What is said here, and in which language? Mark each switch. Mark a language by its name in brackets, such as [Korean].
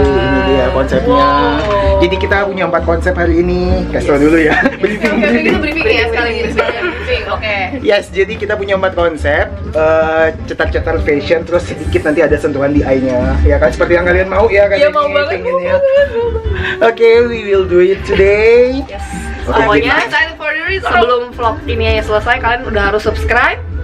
[Indonesian] Yeay, ini dia konsepnya. Wow. Jadi kita punya 4 konsep hari ini. Kasih tau dulu ya. Briefing. Kita briefing ya sekali ini. Briefing. Oke. Yes, jadi kita punya 4 konsep. Cetar-cetar fashion, terus sedikit nanti ada sentuhan DIY-nya. Ya kan, seperti yang kalian mau ya kan. Iya, mau banget. Ya. [English] Oke, okay, we will do it today. Yes. [Indonesian] Pokoknya okay, sebelum vlog ini ya selesai, kalian udah harus subscribe.